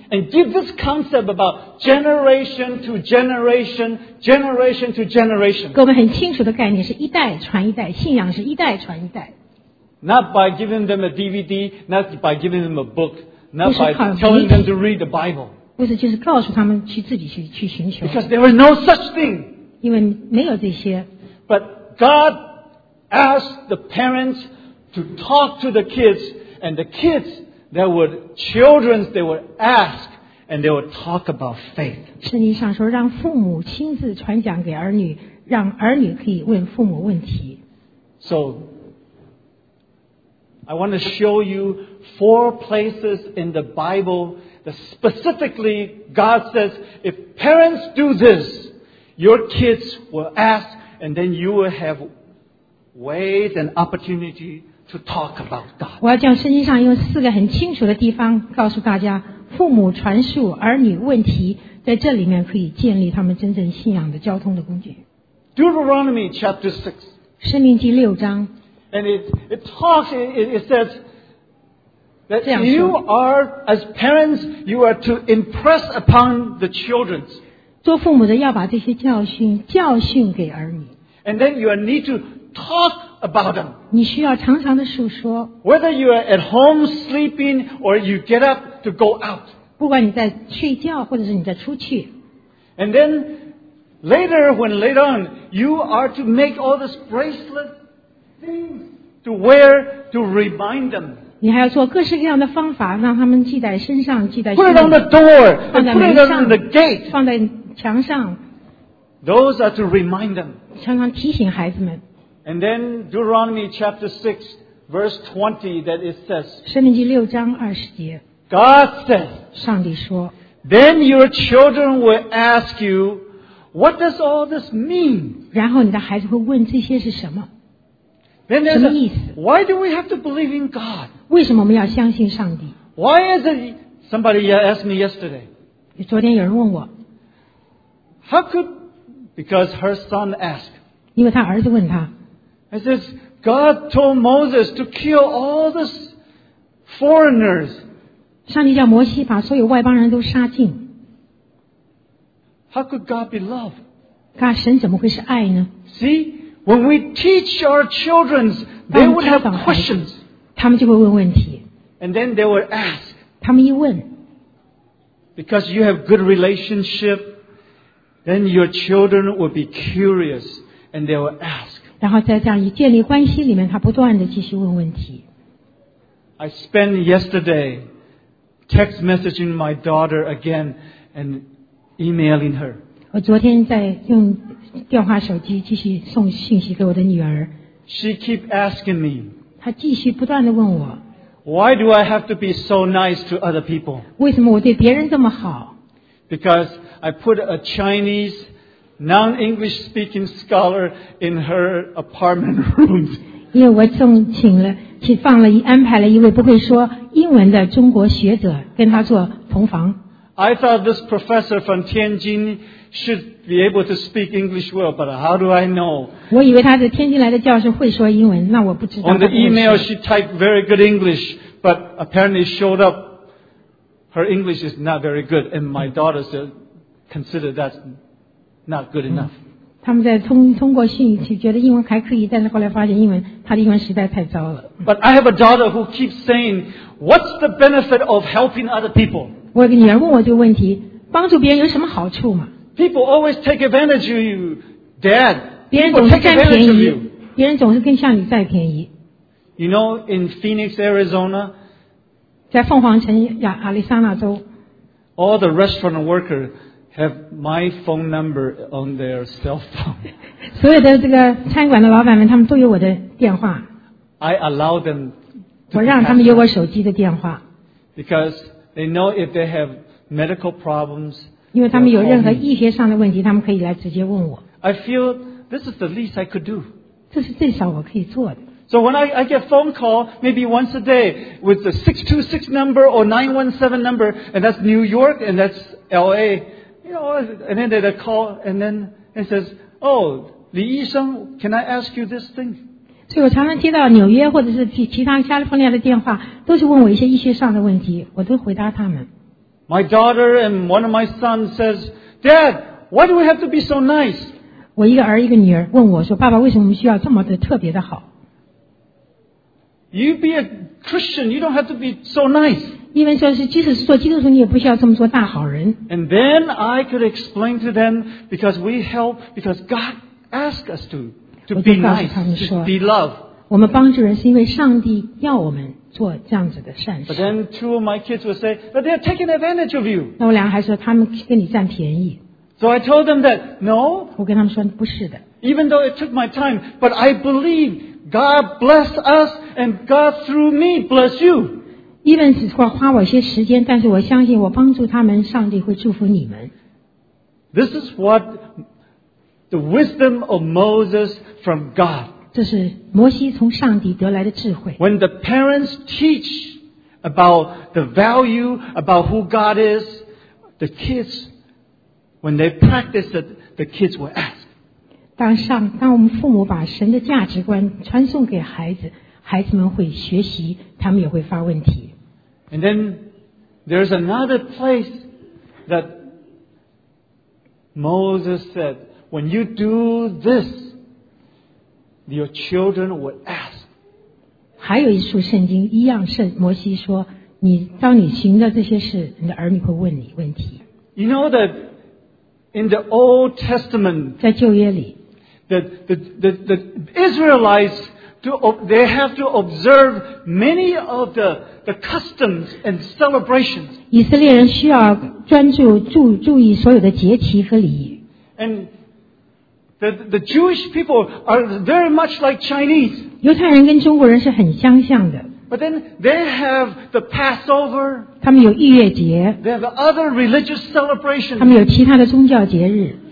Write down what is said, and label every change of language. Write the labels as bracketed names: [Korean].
[English] and give this concept about generation to generation, generation to generation. [Chinese] 给我们很清楚的概念是一代传一代，信仰是一代传一代。 [English] Not by giving them a DVD, not by giving them a book, not by telling them to read the Bible. [Chinese] 不是，就是告诉他们去自己去寻求。 [English] Because there was no such thing. [Chinese] 因为没有这些。 [English] But God. Ask the parents to talk to the kids, and the kids, that were children, they would ask, and they would talk about faith. [Chinese] 圣经上说，让父母亲自传讲给儿女，让儿女可以问父母问题。 [English] So, I want to show you four places in the Bible that specifically God says, if parents do this, your kids will ask, and then you will have. Ways and opportunity to talk about God. [Chinese] 我要将圣经上用四个很清楚的地方告诉大家，父母传述儿女问题，在这里面可以建立他们真正信仰的交通的工具。 [English] Deuteronomy chapter 6. [Chinese] 申命记六章。 [English] And it says that you are as parents, you are to impress upon the children. [Chinese] 做父母的要把这些教训给儿女。 [English] And then you need to. Talk about them. [Chinese] 你需要常常的述说。 [English] Whether you are at home sleeping or you get up to go out. [Chinese] 不管你在睡觉或者是你在出去。 [English] And then later on, you are to make all these bracelet things to wear to remind them. [Chinese] 你还要做各式各样的方法让他们记在身上，记在。 [English] Put it on the door. Put it on the gate. [Chinese] 放在墙上。 [English] Those are to remind them. [Chinese] 常常提醒孩子们。 [English] And then Deuteronomy chapter 6, verse 20, that it says, [Chinese] 申命记六章二十节 [English] God said, [Chinese] 上帝说 [English] Then your children will ask you, what does all this mean? [Chinese] 然后你的孩子会问这些是什么 [English] Then [Chinese] 什么意思 [English] Why do we have to believe in God? [Chinese] 为什么我们要相信上帝 [English] Why is it, somebody asked me yesterday, [Chinese] 昨天有人问我 [English] How could, because her son asked, [Chinese] 因为他儿子问他 [English] I says, God told Moses to kill all these foreigners. [Chinese] 上帝叫摩西把所有外邦人都杀尽 [English] How could God be love? [Chinese] 神怎么会是爱呢？ [English] See, when we teach our children, they would have questions. [Chinese] 他们就会问问题。 [English] And then they would ask. [Chinese] 他们一问。 [English] Because you have good relationship, then your children will be curious and they will ask. [Chinese] 然后在这样一建立关系里面，他不断地继续问问题。 [English] I spent yesterday text messaging my daughter again and emailing her. [Chinese] 我昨天在用电话手机继续送信息给我的女儿。 [English] She keep asking me. [Chinese] 她继续不断地问我。 [English] Why do I have to be so nice to other people? [Chinese] 为什么我对别人这么好？ [English] Because I put a Chinese non-English speaking scholar in her apartment room. [Chinese] 因为我送请了去放了安排了一位不会说英文的中国学者跟他做同房。 [English] I thought this professor from Tianjin should be able to speak English well, but how do I know? [Chinese] 我以为他是天津来的教授会说英文，那我不知道。 [English] On the email, she typed very good English, but apparently showed up her English is not very good, and my daughter said considered that not good enough. [Chinese] 他们在通过信息觉得英文还可以，但是后来发现英文他的英文实在太糟了。 [English] But I have a daughter who keeps saying, "What's the benefit of helping other people?" [Chinese] 我有个女儿问我这个问题，帮助别人有什么好处吗？ [English] People always take advantage of you, Dad. [Chinese] 别人总是占便宜，别人总是更向你占便宜。 [English] You know, in Phoenix, Arizona, [Chinese] 在凤凰城亚利桑那州 [English] ，all the restaurant workers have my phone number on their cell phone. [Chinese] 所有的这个餐馆的老板们，他们都有我的电话。 [English] I allow them. [Chinese] 我让他们有我手机的电话。 [English] Because they know if they have medical problems. [Chinese] 因为他们有任何医学上的问题，他们可以来直接问我。 [English] I feel this is the least I could do. [Chinese] 这是最少我可以做的。 [English] So when I get phone call, maybe once a day, with the 626 number or 917 number, and that's New York and that's LA, you know, and then they call and then it says, oh, [Chinese] 李医生, [English] can I ask you this thing? [Chinese] 所以我常常接到纽约或者是其他加利福尼亚的电话，都是问我一些医学上的问题，我都回答他们。 [English] My daughter and one of my sons says, Dad, why do we have to be so nice? [Chinese] 我一个儿一个女儿问我说，爸爸为什么我们需要这么的特别的好？ [English] You be a Christian, you don't have to be so nice. [Chinese] 因为说是即使是做基督徒，你也不需要这么做大好人。 [English] And then I could explain to them because we help because God asked us to be nice, to be love. [Chinese] 我们帮助人是因为上帝要我们。做这样子的善事。 [English] But then two of my kids would say, but they are taking advantage of you. [Chinese] 那我两个孩子说他们跟你占便宜。 [English] So I told them that, no. [Chinese] 我跟他们说不是的。 [English] Even though it took my time, but I believe God bless us and God through me bless you. Even [Chinese] 只是花我一些时间，但是我相信我帮助他们，上帝会祝福你们。 [English] This is what the wisdom of Moses from God. [Chinese] 这是摩西从上帝得来的智慧。 [English] When the parents teach about the value, about who God is, the kids, when they practice it, the kids will ask. [Chinese] 当我们父母把神的价值观传送给孩子，孩子们会学习，他们也会发问题。 [English] And then there's another place that Moses said, when you do this,Your children would ask. [Chinese] 还有一处圣经一样是摩西说，你当你行的这些事，你的儿女会问你问题。 [English] You know that in the Old Testament, [Chinese] 在旧约里 [English] the Israelites they have to observe many of the customs and celebrations. [Chinese] 以色列人需要专注注意所有的节期和礼仪。 [English] And The Jewish people are very much like Chinese. [Chinese] 犹太人跟中国人是很相像的。 [English] But then they have the Passover. [Chinese] 他们有逾越节。 [English] They have other religious celebrations. [Chinese] 他们有其他的宗教节日。